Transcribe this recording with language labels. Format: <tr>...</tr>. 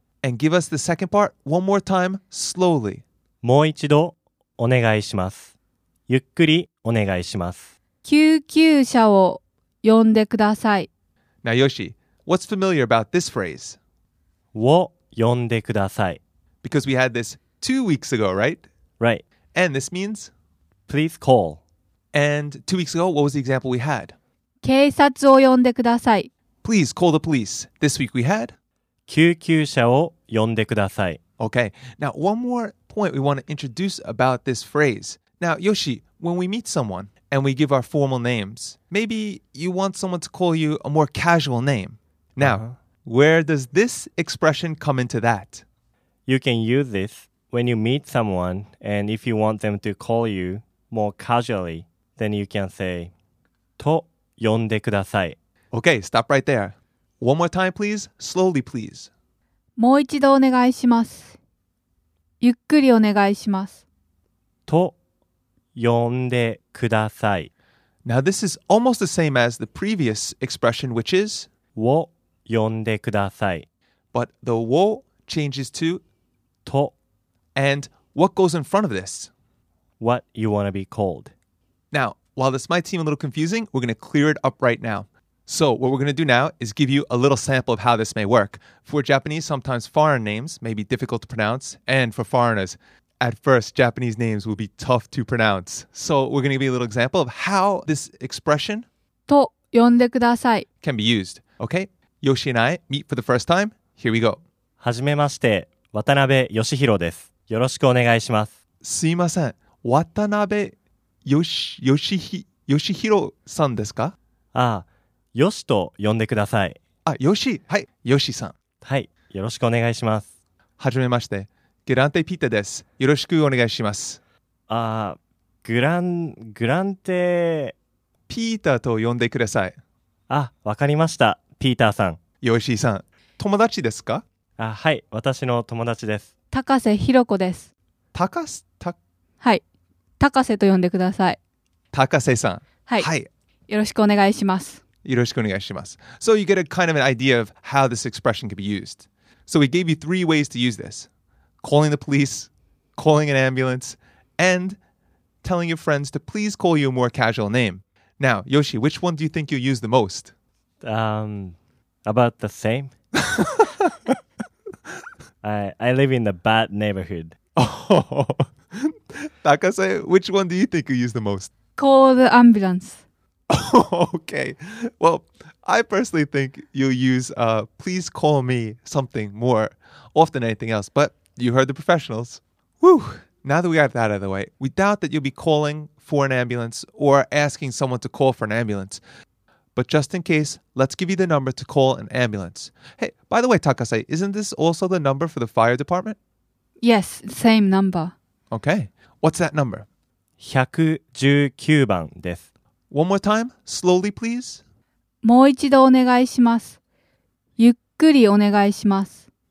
<en>And give us the second part one more time, slowly.</en> <ja>もう一度お願いします。ゆっくりお願いします。救急車を呼んでください。</ja> <en>Now, Yoshi, what's familiar about this phrase?</en> <ja>を呼んでください。</ja> <en>Because we had this 2 weeks ago, right? Right. And this means? Please call. And 2 weeks ago, what was the example we had?</en> <ja>警察を呼んでください。</ja> <en>Please call the police. This week we had?</en> <ja>救急車を呼んでください。</ja> <en>Okay. Now, one more point we want to introduce about this phrase. Now, Yoshi, when we meet someone, and we give our formal names, maybe you want someone to call you a more casual name. Now, where does this expression come into that? You can use this when you meet someone, and if you want them to call you more casually, then you can say,</en> <ja>と呼んでください。</ja> <en>Okay, stop right there. One more time, please. Slowly, please.</en> <ja>もう一度お願いします。ゆっくりお願いします。と呼んでください。</ja> <en>Now this is almost the same as the previous expression, which is</en> <ja>を呼んでください。</ja> <en>But the を changes to</en> <ja>と。</ja> <en>And what goes in front of this? What you want to be called. Now, while this might seem a little confusing, we're going to clear it up right now. So what we're going to do now is give you a little sample of how this may work. For Japanese, sometimes foreign names may be difficult to pronounce, and for foreigners, at first, Japanese names will be tough to pronounce. So we're going to give you a little example of how this expression</en> <ja>と呼んでください</ja> <en>can be used. Okay, Yoshi and I meet for the first time. Here we go.</en> <ja>はじめまして、渡辺よしひろです。よろしくお願いします。すいません、渡辺よしひろさんですか？ああ、よしと呼んでください。あ、よし、はい、よしさん。はい、よろしくお願いします。はじめまして。グランテピッタです。よろしくお願いします。グランテピーターと呼んでください。あ、わかりました。ピーターさん。ヨシーさん、友達ですか？あ、はい、私の友達です。高瀬ひろこです。はい、高瀬と呼んでください。高瀬さん、はい。はい。よろしくお願いします。よろしくお願いします。</ja> <en>So you get a kind of an idea of how this expression can be used. So we gave you three ways to use this. Calling the police, calling an ambulance, and telling your friends to please call you a more casual name. Now, Yoshi, which one do you think you use the most? About the same. I live in a bad neighborhood. Oh. Takase, which one do you think you use the most? Call the ambulance. Okay. Well, I personally think you use please call me something more often than anything else, but...You heard the professionals. Whew. Now that we got that out of the way, we doubt that you'll be calling for an ambulance or asking someone to call for an ambulance. But just in case, let's give you the number to call an ambulance. Hey, by the way, Takase, isn't this also the number for the fire department? Yes, same number. Okay. What's that number?</en> <ja>119番です。</ja> <en>One more time, slowly please.</en> <ja>もう一度お願いします。ゆっくりお願いします。</ja>